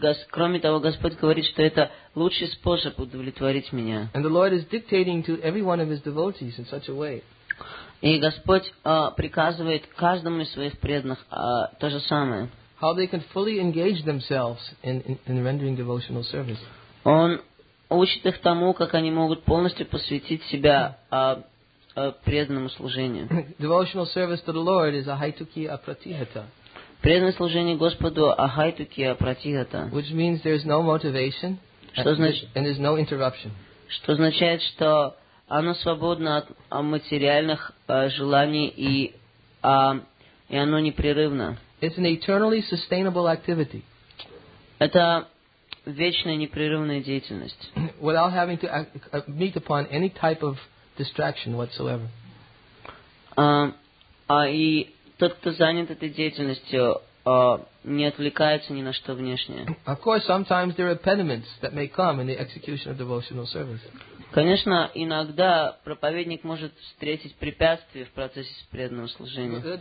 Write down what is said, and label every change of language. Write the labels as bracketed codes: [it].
[ru] Кроме того, Господь говорит, что это лучший способ удовлетворить меня. [en] And the Lord is dictating to every one of his devotees in such a way. [ru] И Господь приказывает каждому из своих преданных то же самое. [en] How they can fully engage themselves in rendering devotional service. [ru] Он учит их тому, как они могут полностью посвятить себя преданному служению. [en] Devotional service to the Lord is ahaituki apratihata. [ru] Преданное служение Господу ahaituki apratihata. [en] Which means there is no motivation and there is no interruption. [ru] Что означает, что оно свободно от материальных желаний и оно непрерывно. [en] It's an eternally sustainable activity. [ru] Это вечная непрерывная деятельность. [en] Without having to meet upon any type of distraction whatsoever. [ru] И тот, кто занят этой деятельностью, не отвлекается ни на что внешнее. [en] Of course, sometimes there are impediments that may come in the execution of devotional service. [ru] Конечно, иногда проповедник может встретить препятствия в процессе преданного служения.